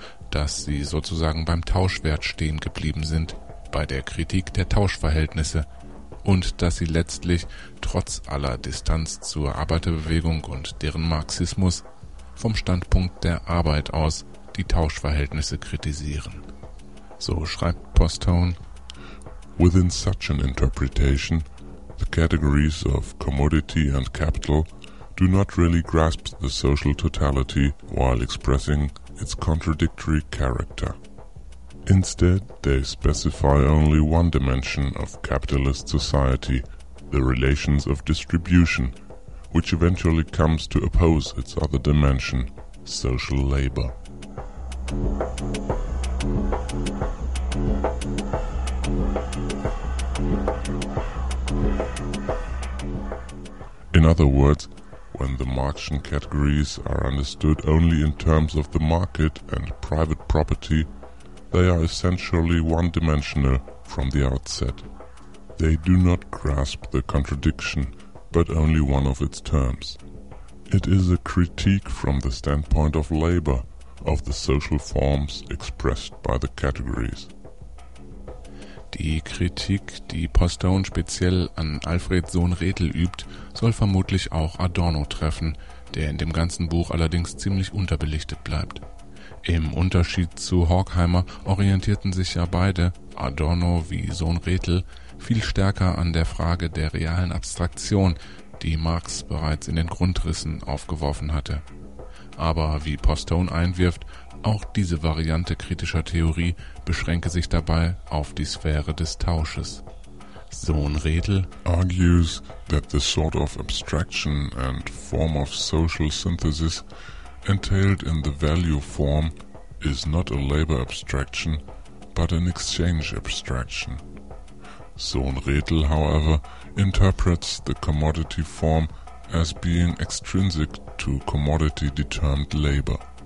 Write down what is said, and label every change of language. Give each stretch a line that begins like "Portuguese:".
German: dass sie sozusagen beim Tauschwert stehen geblieben sind, bei der Kritik der Tauschverhältnisse, und dass sie letztlich, trotz aller Distanz zur Arbeiterbewegung und deren Marxismus, vom Standpunkt der Arbeit aus die Tauschverhältnisse kritisieren. So schreibt Postone:
English: Within such an interpretation, the categories of commodity and capital do not really grasp the social totality while expressing its contradictory character. Instead, they specify only one dimension of capitalist society, the relations of distribution, which eventually comes to oppose its other dimension, social labor. In other words, when the Marxian categories are understood only in terms of the market and private property, they are essentially one-dimensional from the outset. They do not grasp the contradiction, but only one of its terms. It is a critique from the standpoint of labor, of the social forms expressed by the categories.
German: Die Kritik, die Postone speziell an Alfred Sohn Rethel übt, soll vermutlich auch Adorno treffen, der in dem ganzen Buch allerdings ziemlich unterbelichtet bleibt. Im Unterschied zu Horkheimer orientierten sich ja beide, Adorno wie Sohn Rethel, viel stärker an der Frage der realen Abstraktion, die Marx bereits in den Grundrissen aufgeworfen hatte. Aber wie Postone einwirft, auch diese Variante kritischer Theorie beschränke sich dabei auf die Sphäre des Tausches.
English: Sohn Rethel argues that the sort of abstraction and form of social synthesis entailed in the value form is not a labor abstraction, but an exchange abstraction. Sohn Rethel, however, interprets the commodity form as being extrinsic to commodity-determined labor.